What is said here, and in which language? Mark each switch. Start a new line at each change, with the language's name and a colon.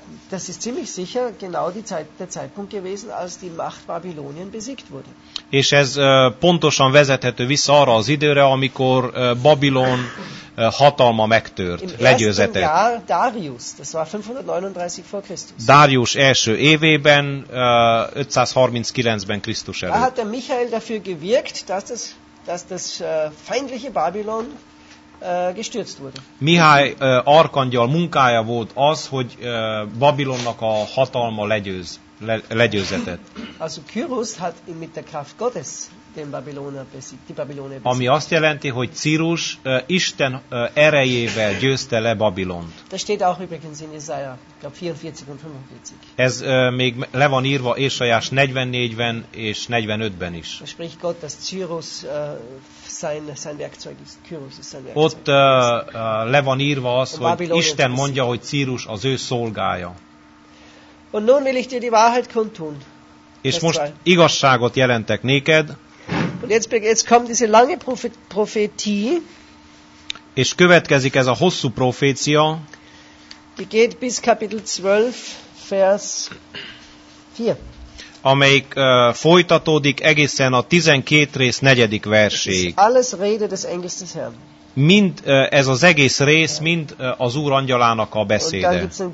German: Das ist ziemlich sicher genau der Zeitpunkt gewesen, als die Macht Babylonien besiegt wurde.
Hungarian: És ez pontosan vezethető vissza arra az időre, amikor Babilon hatalma megtört, legyőzetett.
German: Darius, das war 539 vor Christus.
Hungarian: Darius első évében, 539-ben Krisztus előtt.
German: Da hat der Michael dafür gewirkt, dass das feindliche Babylon gestürzt wurde.
Hungarian: Mihály arkangyal munkája volt az, hogy Babilonnak a hatalma legyőzetett.
German: Also Kyrus hat ihn mit der Kraft Gottes den Babyloner besiegt, die Babylone besiegt.
Hungarian: Ami azt jelenti, hogy Cyrus Isten erejével győzte le Babilont.
German: Das steht auch übrigens in Jesaja, glaube 44 und 45.
Hungarian: Ez még le van írva Ésajás 44-ben és 45-ben is.
German: Da spricht Gott, dass Cyrus sein Werkzeug ist. Cyrus ist sein Werkzeug.
Hungarian: Ott le van írva az, hogy Isten mondja, hogy Cyrus az ő szolgája.
German: Und nun will ich dir die Wahrheit kundtun.
Hungarian: És most igazságot jelentek néked.
German: Und jetzt kommt diese lange Prophetie.
Hungarian: És következik ez a hosszú profécia.
German: Die geht bis Kapitel 12, Vers 4.
Hungarian: Amelyik folytatódik egészen a 12 rész negyedik verséig.
German: Alles Rede des Engels des Herrn.
Hungarian: Mind ez az egész rész, mind az Úr angyalának a beszéde.